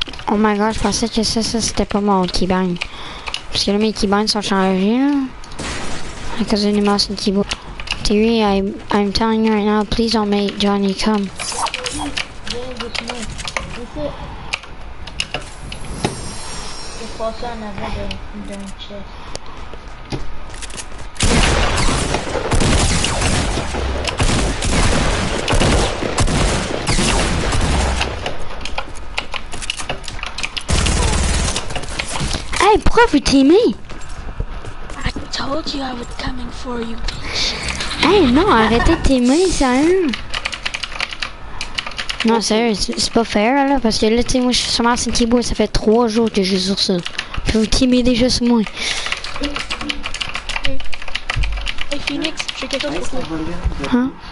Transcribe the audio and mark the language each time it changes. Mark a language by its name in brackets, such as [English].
[French] Oh my god, je pensais que ça c'était pas mon keybind. Parce que là mes keybinds sont chargés là. À cause d'une mouse et keyboard. [English] Thierry, I'm telling you right now, please don't make Johnny come. [French] Hey, pourquoi vous teamez? [English] I told you I was coming for you, bitch. [French] Hey, non, arrêtez de teamer, ça. Non, sérieux, c'est pas fair, là, parce que là, tu sais, moi, je suis sur ma scène keyboard, ça fait 3 jours que je joue sur ça. Puis vous teamez déjà sur moi. Hey, Phoenix, je vais quelque chose. Hein?